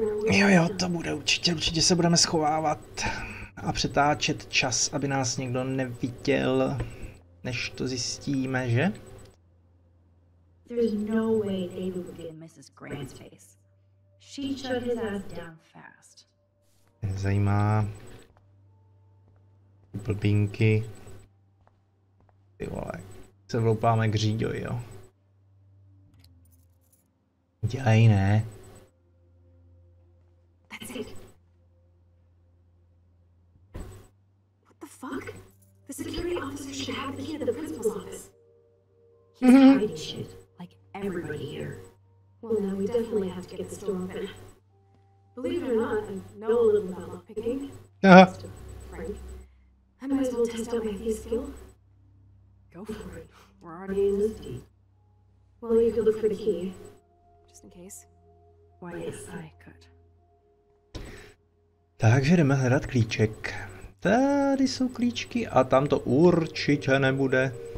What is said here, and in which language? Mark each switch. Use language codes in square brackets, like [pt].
[cs] Jo jo, to bude určitě, určitě se budeme schovávat a přetáčet čas, aby nás někdo neviděl, než to zjistíme, že? [en] There's no way David would get in Mrs. Grant's face. She shut his ass down fast. [cs] Zajímá. Blbinky. Ty vole, se vloupáme k Říďovi, jo. Dělej, ne. [en] That's it. What the fuck? The security officer should have the key to the principal's office. He's hiding shit, like everybody here. Well, now we definitely have to get this door open. Believe it or not, I know a little about lockpicking. I might as well test out my thief skill. Go for it. We're already in this deep. Well, you could look for the key. Just in case. Why, yes, I could. [cs] Takže jdeme hledat klíček. Tady jsou klíčky a tam to určitě nebude.